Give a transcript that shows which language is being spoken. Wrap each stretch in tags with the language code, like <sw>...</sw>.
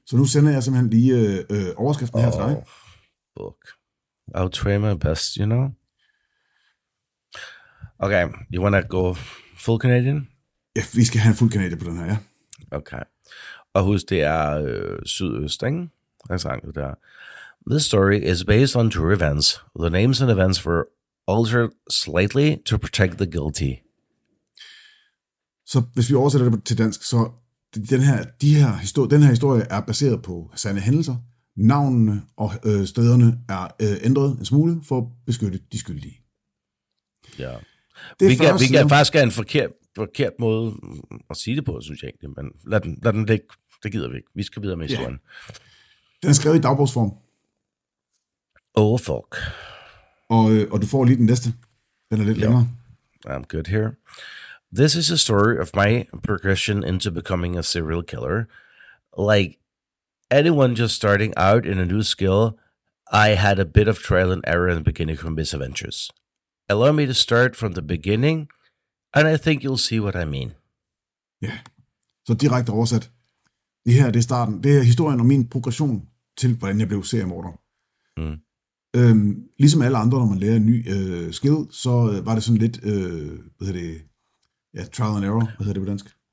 <da>Så nu sender jeg simpelthen lige overskriften her til dig.</da> <en>Book. I'll try my best, you know? Okay, you wanna go full Canadian?</en> <da>Ja, vi skal have en</da> <en>full Canadian</en> <da>på den her, ja. Okay. Og husk, det er sydøst, ikke?</da> <en>Exactly that. This story is based on true events. The names and events were altered slightly to protect the guilty.</en> <da>Så hvis vi oversætter det til dansk, så den her historie er baseret på sande hændelser. Navnene og stederne er ændret en smule for at beskytte de skyldige. Ja. Vi kan faktisk have en forkert måde at sige det på, synes jeg egentlig, men lad den ligge. Det gider vi ikke. Vi skal videre med historien. Ja. Den er skrevet i dagbogsform.</da> <en>Oh, fuck.</en> <da>Og du får lige den næste. Den er lidt længere.</da> <en>I'm good here. This is a story of my progression into becoming a serial killer. Like anyone just starting out in a new skill, I had a bit of trial and error in the beginning from these adventures. Allow me to start from the beginning, and I think you'll see what I mean.</en> <da>Ja, så direkte oversat. Det her, det er starten. Det er historien om min progression til, hvordan jeg blev seriemorder. Mm. Ligesom alle andre, når man lærer en ny skill, så var det sådan lidt,</da> <en>trial and error,</en> <da>hvad hedder det på dansk?</da>